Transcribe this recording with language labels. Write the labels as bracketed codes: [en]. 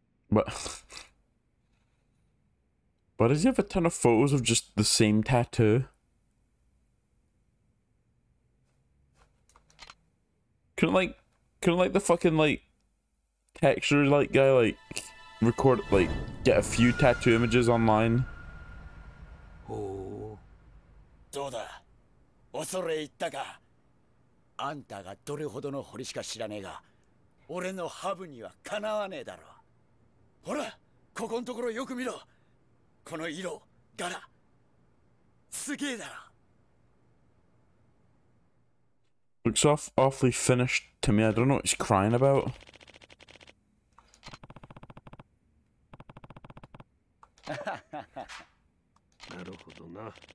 [en] But why does he have a ton of photos of just the same tattoo? Couldn't the fucking texture guy record get a few tattoo images online? [ja] おお。どうだ。恐れ入ったか。あんたがどれほどの掘りしか知らねえが、俺のハブにはかなわねえだろ。ほら、ここんところよく見ろ。この色、柄、すげえだろ。 [en] Looks awfully finished to me. I don't know what he's crying about. [ja] なるほどな。